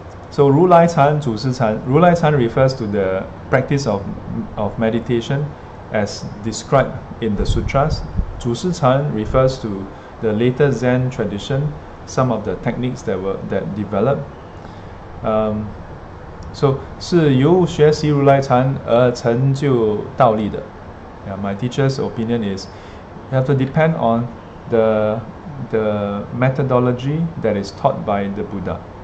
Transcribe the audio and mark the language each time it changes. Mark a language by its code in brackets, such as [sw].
[en] So, 如来禅祖师禅 如来禅 refers to the practice of meditation as described in the sutras. 祖师禅 refers to the later Zen tradition, some of the techniques that developed. [zh] So, 是由学习如来禅而成就道力的。 [en] Yeah, my teacher's opinion is, you have to depend on the methodology that is taught by the Buddha.